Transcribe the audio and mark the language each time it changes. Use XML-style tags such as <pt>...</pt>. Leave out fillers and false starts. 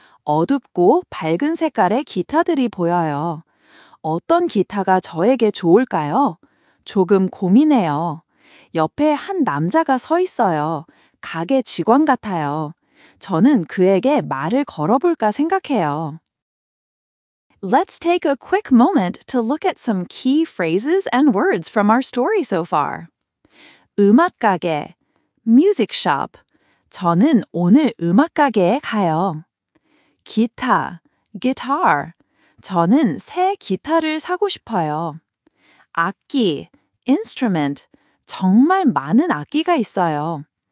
<ko>어둡고 밝은 색깔의 기타들이 보여요. 어떤 기타가 저에게 좋을까요? 조금 고민해요. 옆에 한 남자가 서 있어요. 가게 직원 같아요. 저는 그에게 말을 걸어볼까 생각해요.</ko> <en>Let's take a quick moment to look at some key phrases and words from our story so far.</en> <ko>음악 가게,</ko> <en>music shop.</en> <ko>저는 오늘 음악 가게에 가요. 기타,</ko> <en>guitar.</en> <ko>저는 새 기타를 사고 싶어요. 악기,</ko> <en>instrument.</en> <ko>정말 많은 악기가 있어요.</ko>